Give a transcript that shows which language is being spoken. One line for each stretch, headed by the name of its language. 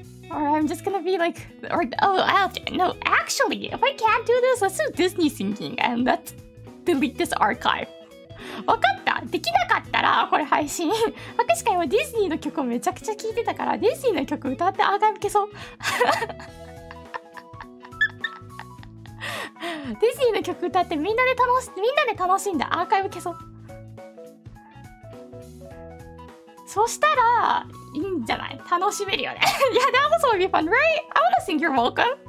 English: Or I'm just gonna be like, or oh, I have to, no, actually, if I can't do this, let's do Disney singing and let's delete this archive.
Japanese: わかった、できなかったらこれ配信。博士課今ディズニーの曲をめちゃくちゃ聴いてたから、ディズニーの曲歌ってアーカイブ消そう。ディズニーの曲歌ってみんなで楽しんでアーカイブ消そう。そしたらいいんじゃない、楽しめるよね。
English: いや、That was gonna be fun, right? I wanna sing your welcome.